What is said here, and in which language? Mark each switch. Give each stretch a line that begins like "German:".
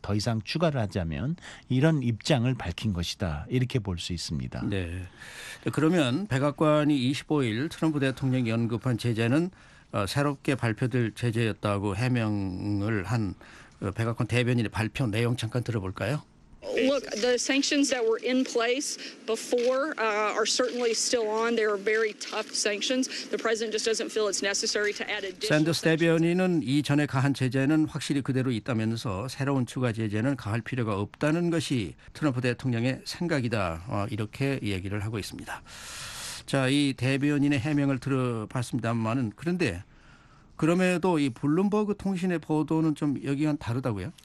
Korean: 더 이상 추가를 하자면 이런 입장을 밝힌 것이다. 이렇게 볼 수 있습니다. 네. 그러면 백악관이 25일 트럼프 대통령이 언급한 제재는 새롭게 발표될 제재였다고 해명을 한 백악관 대변인의 발표 내용 잠깐 들어볼까요?
English: Look, the sanctions that were in place before are certainly still on. They are very tough sanctions. The president just doesn't feel it's necessary to add additional.
Korean: 샌더스 대변인은 이전의 가한 제재는 확실히 그대로 있다면서 새로운 추가 제재는 가할 필요가 없다는 것이 트럼프 대통령의 생각이다. 이렇게 얘기를 하고 있습니다. 자, 이 대변인의 해명을 들어봤습니다만은 그런데 그럼에도 이 블룸버그 통신의 보도는 좀 여기와 다르다고요?